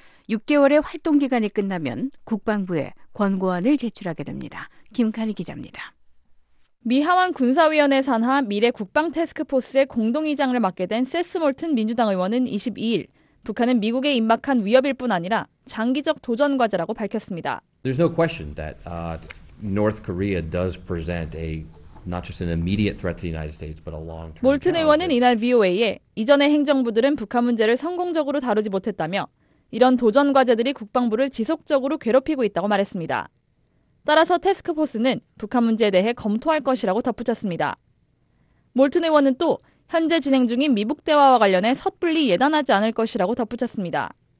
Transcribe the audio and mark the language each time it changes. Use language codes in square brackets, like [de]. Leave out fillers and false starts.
[ko] 6개월의 활동기간이 끝나면 국방부에 권고안을 제출하게 됩니다. 김카리 기자입니다. 미 하원 군사위원회 산하 미래국방 태스크포스의 공동의장을 맡게 된 세스 몰튼 민주당 의원은 22일 북한은 미국에 임박한 위협일 뿐 아니라 장기적 도전 과제라고 밝혔습니다. [en] There's no question that North Korea does present a not just an immediate threat to the United States but a long-term. [ko] 몰튼 의원은 이날 VOA에 이전의 행정부들은 북한 문제를 성공적으로 다루지 못했다며 이런 도전 과제들이 국방부를 지속적으로 괴롭히고 있다고 말했습니다. 따라서 태스크포스는 북한 문제에 대해 검토할 것이라고 덧붙였습니다. 몰튼 의원은 또 현재 진행 중인 미북 대화와 관련해 섣불리 예단하지 않을 것이라고 덧붙였습니다.